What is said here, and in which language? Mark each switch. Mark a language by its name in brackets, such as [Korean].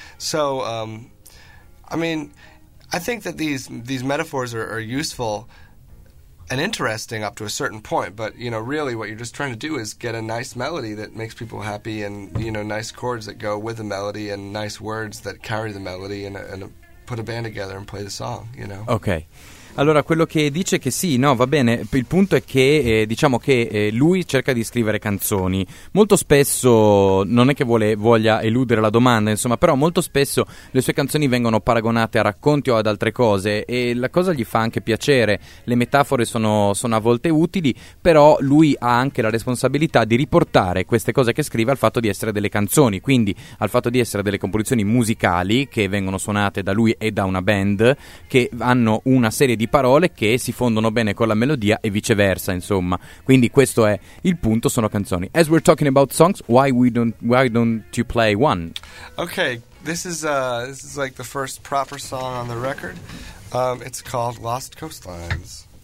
[English] So, I mean, I think that these metaphors are useful and interesting up to a certain point. But, you know, really what you're just trying to do is get a nice melody that makes people happy and, you know, nice chords that go with the melody and nice words that carry the melody in a put a band together and play the song, you know. Okay. [Italian] Allora, quello che dice è che sì, no, va bene, il punto è che diciamo che lui cerca di scrivere canzoni. Molto spesso, non è che voglia eludere la domanda, insomma, però molto spesso le sue canzoni vengono paragonate a racconti o ad altre cose, e la cosa gli fa anche piacere. Le metafore sono a volte utili, però lui ha anche la responsabilità di riportare queste cose che scrive al fatto di essere delle canzoni, quindi al fatto di essere delle composizioni musicali che vengono suonate da lui e da una band, che hanno una serie di parole che si fondono bene con la melodia e viceversa, insomma. Quindi questo è il punto, sono canzoni. [English] As we're talking about songs, why don't you play one? Okay, this is like the first proper song on the record. It's called Lost Coastlines.